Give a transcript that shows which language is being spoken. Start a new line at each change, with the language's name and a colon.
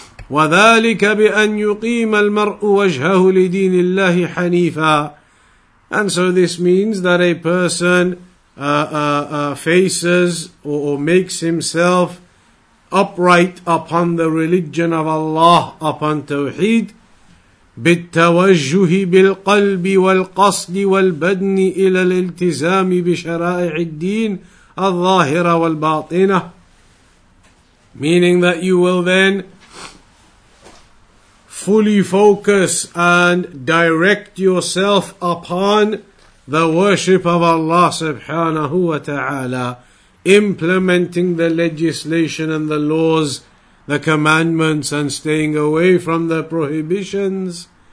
Arabic: وذلك بأن يقيم المرء وجهه لدين الله حنيفا.
English: And so this means that a person faces or makes himself upright upon the religion of Allah, upon Tawheed,
Arabic: بالتوجه بالقلب والقصد والبدن إلى الالتزام بشرائع الدين الظاهرة والباطنة.
English: Meaning that you will then fully focus and direct yourself upon the worship of Allah subhanahu wa ta'ala, implementing the legislation and the laws, the commandments, and staying away from the prohibitions.